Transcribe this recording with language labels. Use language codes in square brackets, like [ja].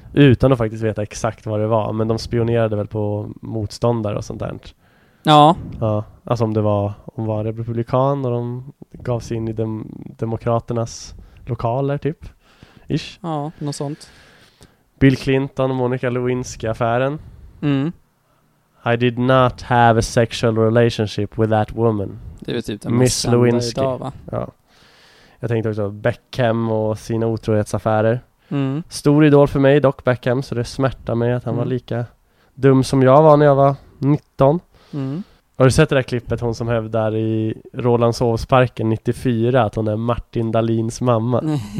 [sv] Utan att faktiskt veta exakt vad det var, men de spionerade väl på motståndare och sånt där. Ja. Ja. Alltså om det var, om var republikan och de gav sig in i demokraternas lokaler typ. Ish. Ja, något sånt. Bill Clinton och Monica Lewinsky-affären. Mm. [en] I did not have a sexual relationship with that woman. [sv] Det är typ den Miss Lewinsky. Idag, va? Ja. Jag tänkte också Beckham och sina otrohetsaffärer. Mm. Stor idol för mig dock, Beckham, så det smärtar mig att han var lika dum som jag var när jag var 19. Mm. Har du sett det där klippet, hon som hävdar i Roland Sovsparken 94 att hon är Martin Dahlins mamma?